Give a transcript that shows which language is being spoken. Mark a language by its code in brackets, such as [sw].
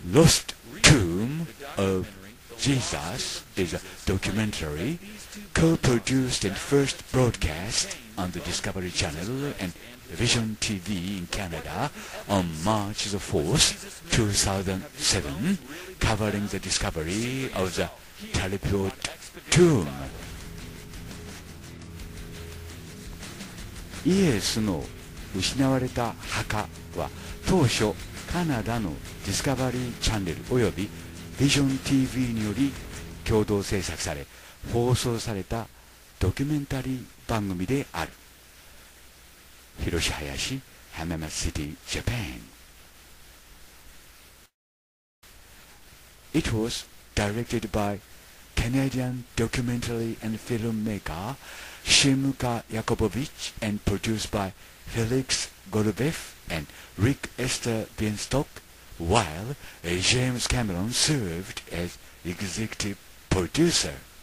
[en] The Lost Tomb of Jesus is a documentary co-produced and first broadcast on the Discovery Channel and Vision TV in Canada on March the 4th, 2007, covering the discovery of the Talipot Tomb. [ja] イエスの失われた墓は当初カナダのディスカバリーチャンネルおよびビジョン TV により共同制作され放送されたドキュメンタリー番組である。広志林浜松シティジャパン。 [en] It was directed by Canadian documentary and filmmaker Shimka Jakubovic and produced byFelix Golubev and Rick Esther Beanstalk, while James Cameron served as executive producer.